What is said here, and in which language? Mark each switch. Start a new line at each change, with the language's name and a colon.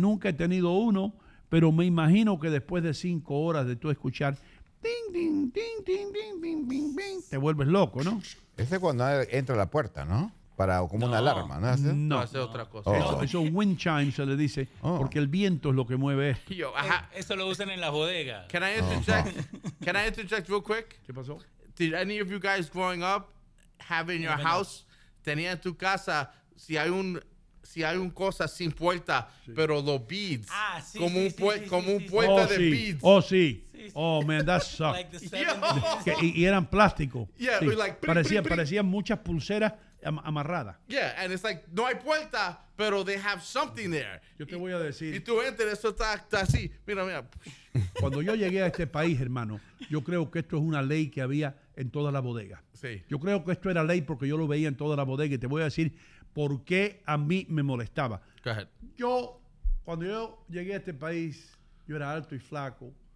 Spanish: Nunca he tenido uno, pero me imagino que después de 5 horas de tú escuchar, ding, ding, ding, ding, ding, ding, ding, ding, te vuelves loco, ¿no? Ese es cuando entra a la puerta, ¿no? Una alarma, ¿no? No. Hace otra cosa. Oh. No, eso es un wind chime, se le dice, porque el viento es lo que mueve esto. Eso lo usan en las bodegas.
English: Can I interject? Can I interject real quick?
Spanish: ¿Qué pasó?
English: Did any of you guys growing up have in your house...
Spanish: Tenía en tu casa, si hay un cosa sin puerta, sí. Pero los beads, como un puerta de beads.
English: Oh, sí. Oh, man, that sucked. Like
Spanish: y eran plásticos.
English: Yeah,
Spanish: sí.
English: Like,
Spanish: parecían muchas pulseras amarrada.
English: Yeah, and it's like, no hay puerta, pero they have something there.
Spanish: Yo te voy a decir. Y tú entras, eso está, está así. Mira, mira. Cuando yo llegué a este país, hermano, yo creo que esto es una ley que había en toda la bodega. Sí. Yo creo que esto era ley porque yo lo veía en toda la bodega. Y te voy a decir por qué a mí me molestaba.
English: Go ahead.
Spanish: Yo, cuando yo llegué a este país, yo era alto y flaco.